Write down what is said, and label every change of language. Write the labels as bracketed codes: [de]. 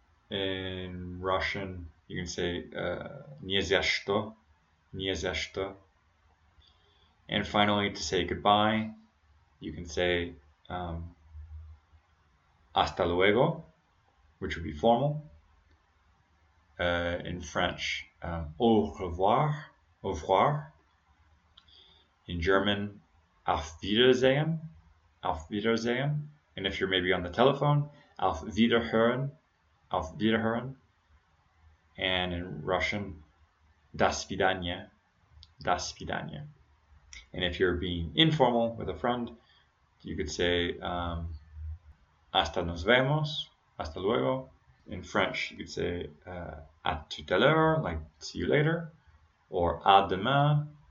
[en] In Russian, you can say [ru] не за что. Не за что. [en] And finally, to say goodbye, you can say [es] hasta luego, [en] which would be formal. In French, [fr] au revoir, au revoir. [en] In German, [de] auf Wiedersehen, auf Wiedersehen. [en] And if you're maybe on the telephone, [de] auf Wiederhören, auf Wiederhören. [en] And in Russian, [ru] до свидания, до свидания. [en] And if you're being informal with a friend, you could say, [es] hasta nos vemos, hasta luego. [en] In French, you could say, [fr] à tout à l'heure, [en] like, see you later. Or [fr] à demain,